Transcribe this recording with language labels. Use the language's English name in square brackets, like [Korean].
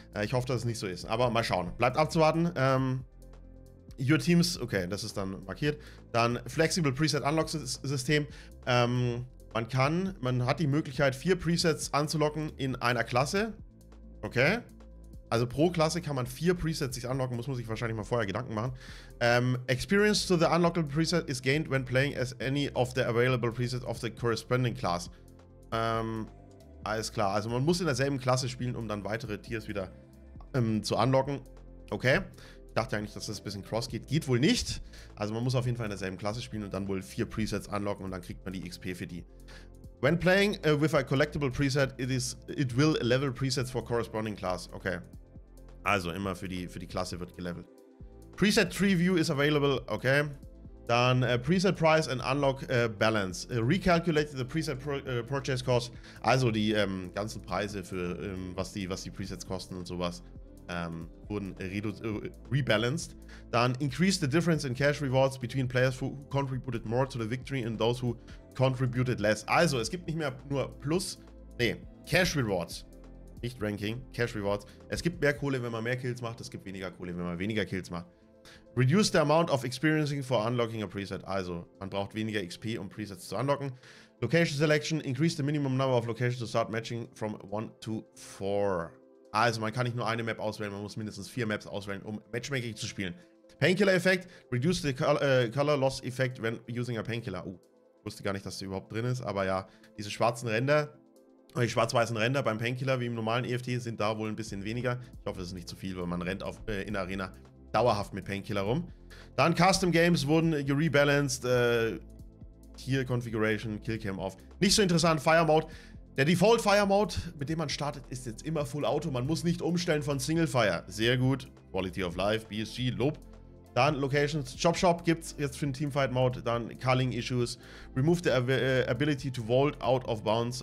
[German] Ich hoffe, dass es nicht so ist, aber mal schauen. Bleibt abzuwarten. Your Teams, okay, das ist dann markiert. Dann Flexible Preset Unlock System. Man hat die Möglichkeit, 4 Presets anzulocken in einer Klasse. Okay. Also pro Klasse kann man 4 Presets sich unlocken, muss man sich wahrscheinlich mal vorher Gedanken machen. [English] Experience to the unlockable preset is gained when playing as any of the available presets of the corresponding class. [German] Alles klar, also man muss in derselben Klasse spielen, um dann weitere Tiers wieder zu unlocken. Okay, ich dachte eigentlich, dass das ein bisschen cross geht. Geht wohl nicht. Also man muss auf jeden Fall in derselben Klasse spielen und dann wohl 4 Presets unlocken und dann kriegt man die XP für die. [English] When playing with a collectible preset, it will level presets for corresponding class. Okay. [German] Also immer für die Klasse wird gelevelt. [English] Preset Tree View is available. [German] Okay. [English] Dann Preset Price and Unlock Balance. Recalculate the Preset Purchase Cost. [German] Also die ganzen Preise für was die Presets kosten und sowas wurden rebalanced. [English] Dann increase the difference in cash rewards between players who contributed more to the victory and those who contributed less. [German] Also es gibt nicht mehr nur Plus, nee, Cash Rewards. Nicht Ranking, Cash Rewards. Es gibt mehr Kohle, wenn man mehr Kills macht. Es gibt weniger Kohle, wenn man weniger Kills macht. [English] Reduce the amount of experiencing for unlocking a preset. [German] Also, man braucht weniger XP, um Presets zu unlocken. Location Selection. [English] Increase the minimum number of locations to start matching from 1 to 4. [German] Also, man kann nicht nur eine Map auswählen. Man muss mindestens 4 Maps auswählen, um Matchmaking zu spielen. Painkiller Effect. [English] Reduce the color loss effect when using a Painkiller. [German] Wusste gar nicht, dass sie überhaupt drin ist. Aber ja, diese schwarzen Ränder. Die schwarz-weißen Ränder beim Painkiller, wie im normalen EFT, sind da wohl ein bisschen weniger. Ich hoffe, es ist nicht zu viel, weil man rennt auf, in Arena dauerhaft mit Painkiller rum. Dann Custom Games wurden rebalanced. Tier Configuration, Killcam off. Nicht so interessant, Fire Mode. Der Default Fire Mode, mit dem man startet, ist jetzt immer Full Auto. Man muss nicht umstellen von Single Fire. Sehr gut. Quality of Life, BSG, Lob. Dann Locations, Chop Shop gibt's jetzt für den Teamfight Mode. Dann Culling Issues. [English] Remove the ability to vault out of bounds.